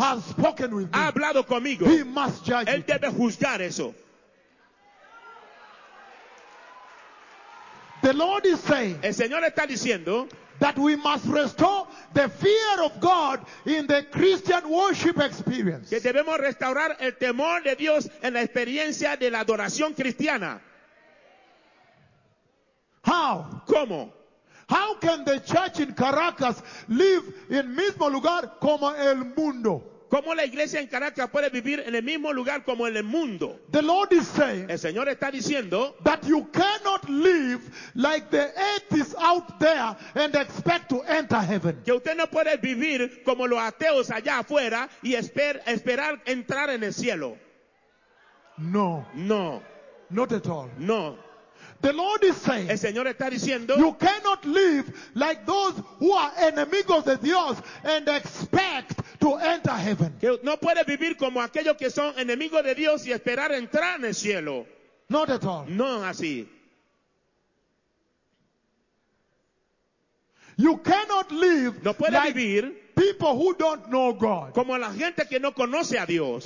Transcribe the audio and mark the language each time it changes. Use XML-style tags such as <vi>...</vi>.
<en>has spoken with me.</en> <es>Ha hablado conmigo.</es> <en>He must judge</en> <es>Él</es> <en>it.</en> <es>Él debe juzgar eso.</es> <en>The Lord is saying.</en> <es>El Señor está diciendo.</es> <en>That we must restore the fear of God in the Christian worship experience.</en> <es>Que debemos restaurar el temor de Dios en la experiencia de la adoración cristiana.</es> <en>How?</en> <es>¿Cómo?</es> <en>How can the church in Caracas live in</en> <es>mismo lugar como el mundo? ¿Cómo la iglesia en Caracas puede vivir en el mismo lugar como en el mundo?</es> <en>The Lord is saying,</en> <es>el Señor está diciendo,</es> <en>that you cannot live like the atheists out there and expect to enter heaven.</en> <es>Que usted no puede vivir como los ateos allá afuera y esperar entrar en el cielo.</es> <en>No.</en> <es>No.</es> <en>Not at all.</en> <es>No.</es> <en>The Lord is saying,</en> <es>el Señor está diciendo,</es> <en>you cannot live like those who are</en> <es>enemigos de Dios</es> <en>and expect to enter heaven.</en> <es>Que no puede vivir como aquellos que son enemigos de Dios y esperar entrar en el cielo.</es> <en>Not at all.</en> <es>No así.</es> <en>You cannot live</en> <es>no puede</es> <en>like</en> <es>vivir</es> <en>people who don't know God</en> <es>como la gente que no conoce a Dios</es>